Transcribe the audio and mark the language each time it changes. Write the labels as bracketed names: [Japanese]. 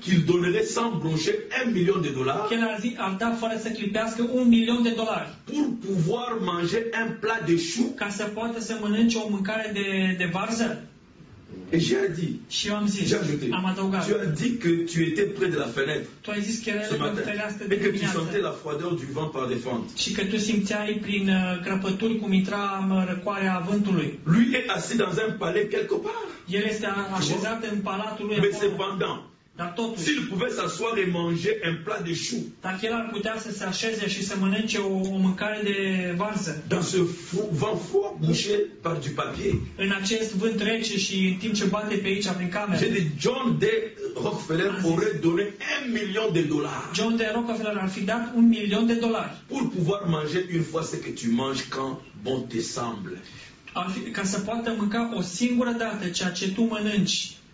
[French] Qu'il donnerait sans broncher un million de dollars? Qu'il [Romanian] a zis, ar da fără să clipească un milion de dolari. [French] Pour pouvoir manger un plat de chou? [Romanian] Ca să poată să mănânce o mâncare de varză? [French] Et j'ai dit, [Romanian] și eu am zis, [French] j'ai ajouté, [Romanian] am adăugat, [French] tu as dit que tu étais près de la fenêtre [Romanian] tu ai zis ce matin, [French] mais que tu sentais la froideur du vent par des fentes. [Romanian] Și că tu simțeai prin crăpături cum intra răcoarea vântului. [French] Lui est assis dans un palais quelque part. [Romanian] El este așezat în palatul lui. [French] Mais cependant, s'il pouvait s'asseoir et manger un plat de chou, [Romanian] dacă el ar putea să se așeze și să mănânce o mâncare de varză, [French] dans ce vent froid bouché par du papier, [Romanian] în acest vânt rece și în timp ce bate pe aici prin cameră, [French] j'ai dit, John D. Rockefeller aurait donné $1,000,000. [Romanian] John D. Rockefeller ar fi dat $1,000,000 [French] pour pouvoir manger une fois ce que tu manges quand bon te semble. [Romanian] Ca să poată mânca o singură dată ceea ce tu mănânci.